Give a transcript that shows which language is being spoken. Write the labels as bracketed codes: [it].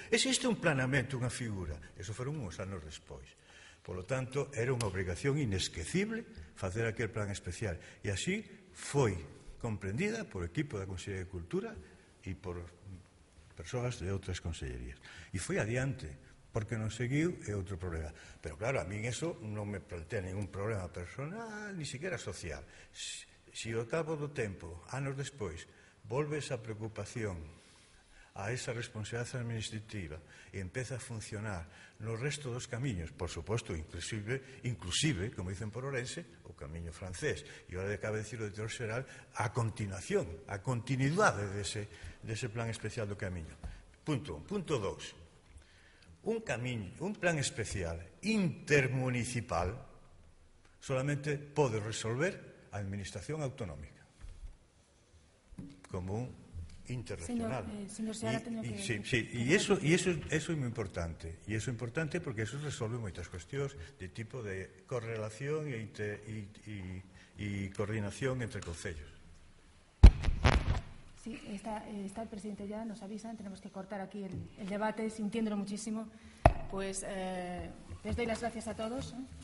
[gl] Existe un planamento, unha figura, eso foron uns anos despois. [es] Por lo tanto, [gl] era unha obrigación inesquecible facer aquel plan especial. E así foi comprendida por o equipo da Consellería de Cultura e por persoas de outras consellerías. E foi adiante, porque non seguiu é outro problema. [es] Pero claro, a mí eso non me plantea ningún problema personal, ni siquiera social. [gl] Si ao cabo do tempo, anos despois, volve esa preocupación a esa responsabilidade administrativa e empeza a funcionar no resto dos camiños, por suposto, inclusive, como dicen por Ourense, o camiño francés, e agora cabe decir o director xeral, a continuación, a continuidade dese plan especial do camiño. Punto un. Punto dous. Un camiño, un plan especial intermunicipal solamente pode resolver a administración autonómica como un interregional. Señor, eso é moi importante. E eso é importante porque eso resolve moitas cuestións de tipo de correlación e coordinación entre concellos. [es] Sí, está el presidente ya, nos avisan, tenemos que cortar aquí el debate, sintiéndolo muchísimo. Pues les doy las gracias a todos.